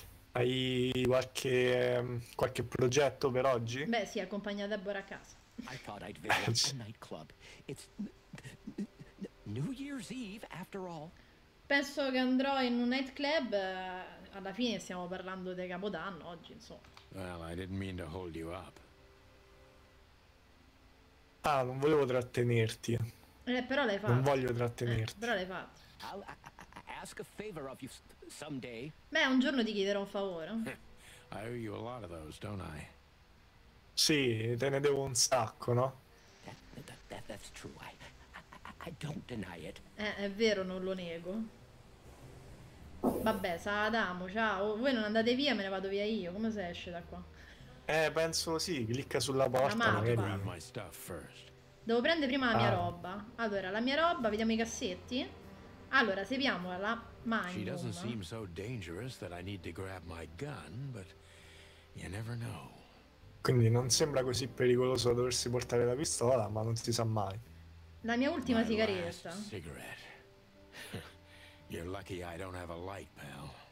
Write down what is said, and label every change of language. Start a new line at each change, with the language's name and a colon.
Italian: Hai qualche progetto per oggi? Beh, sì, accompagna Deborah a casa.
English: I thought I'd visit a nightclub. It's New Year's Eve, after all.
Italian: Penso che andrò in un nightclub. Alla fine stiamo parlando di Capodanno oggi, insomma.
English: Well, I didn't mean to hold you up.
Italian: Ah, non volevo trattenerti. Però l'hai fatto. Non voglio trattenerti. Però l'hai fatto.
English: I'll ask a favor of you someday.
Italian: Beh, un giorno ti chiederò un favore.
English: I owe you a lot of those, don't I?
Italian: Sì, te ne devo un sacco, no?
English: That's true. I don't deny it.
Italian: È vero, non lo nego. Vabbè, Sadamo, ciao. Voi non andate via, me ne vado via io. Come si esce da qua? Penso sì, clicca sulla porta. Devo prendere prima la mia roba. Allora, la mia roba, vediamo i cassetti. Allora, seguiamo la mind.
English: She doesn't seem so dangerous that I need to grab my gun, but you never know.
Italian: Quindi non sembra così pericoloso doversi portare la pistola, ma non si sa mai. La mia ultima sigaretta.
English: You're lucky I don't have a light, pal.